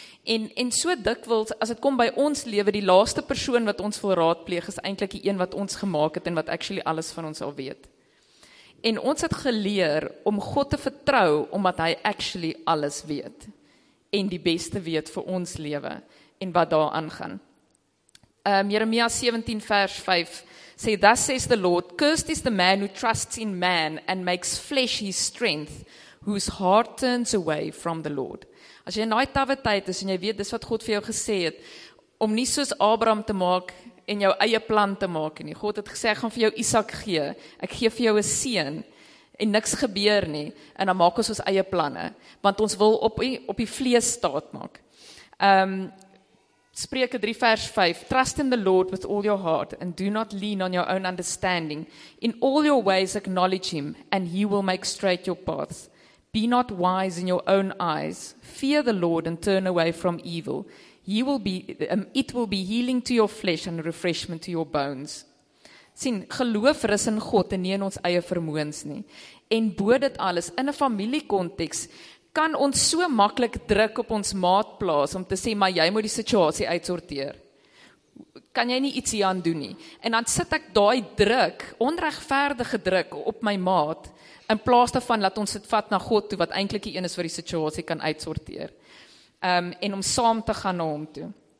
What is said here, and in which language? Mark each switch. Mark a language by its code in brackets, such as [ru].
[af] En so dikwels, as het kom by ons lewe, die laaste persoon wat ons wil raadpleeg, is eintlik die een wat ons gemaak het en wat actually alles van ons al weet. En ons het geleer om God te vertrou, omdat hy actually alles weet. En die beste weet vir ons lewe en wat daar aangaan. [en] Jeremia 17 vers 5 sê, "Thus says the Lord, cursed is the man who trusts in man and makes flesh his strength, whose heart turns away from the Lord." [af] As jy in die tawe tyd is en jy weet, dis wat God vir jou gesê het, om nie soos Abraham te maak en jou eie plan te maak nie. God het gesê, ek gaan vir jou Isak gee, ek gee vir jou 'n seun en niks gebeur nie, en dan maak ons eie planne, want ons wil op die vlees staat maak. [en] Spreuke 3 vers 5, "Trust in the Lord with all your heart and do not lean on your own understanding. In all your ways acknowledge him and he will make straight your paths. Be not wise in your own eyes. Fear the Lord and turn away from evil. It will be healing to your flesh and refreshment to your bones. [af] Sien, geloof rus in God en nie in ons eie vermoëns nie. En bo dit alles, in 'n familiekonteks, kan ons so maklik druk op ons maat plaas om te sê, maar jy moet die situasie uitsorteer. Kan jy nie ietsie aan doen nie? En dan sit ek daai druk, onregverdige druk op my maat, in plaas daarvan laat ons dit vat na God toe, wat eintlik die een is wat die situasie kan uitsorteer. En om saam te gaan na hom toe.